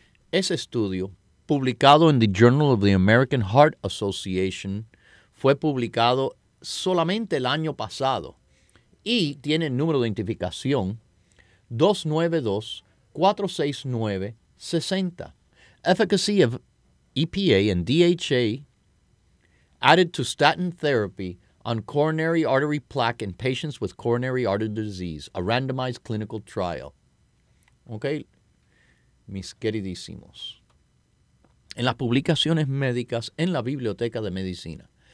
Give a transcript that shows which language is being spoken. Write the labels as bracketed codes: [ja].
[es] Ese estudio, publicado en The Journal of the American Heart Association, fue publicado solamente el año pasado y tiene el número de identificación 292-469-60. [en] Efficacy of EPA and DHA added to statin therapy on coronary artery plaque in patients with coronary artery disease, a randomized clinical trial. [es] Ok, mis queridísimos. En las publicaciones médicas en la Biblioteca de Medicina.